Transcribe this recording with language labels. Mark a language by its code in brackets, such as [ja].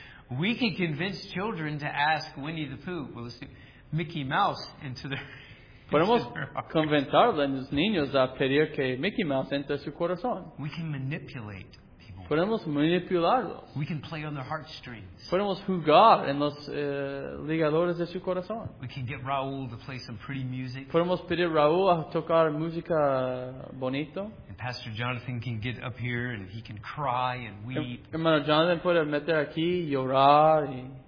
[en] We can convince children to ask Winnie the Pooh, well, Mickey Mouse into their [es] podemos convencer a los niños a pedir que Mickey Mouse entre su corazón. [en] We can manipulate. [es] Podemos manipularlos. [en] We can play on their heartstrings. [es] Podemos jugar en los ligadores de su corazón. [en] We can get Raúl to play some pretty music. [es] Podemos pedir a Raúl a tocar música bonito. [en] And Pastor Jonathan can get up here and he can cry and weep. [es] Hermano Jonathan puede meter aquí llorar y.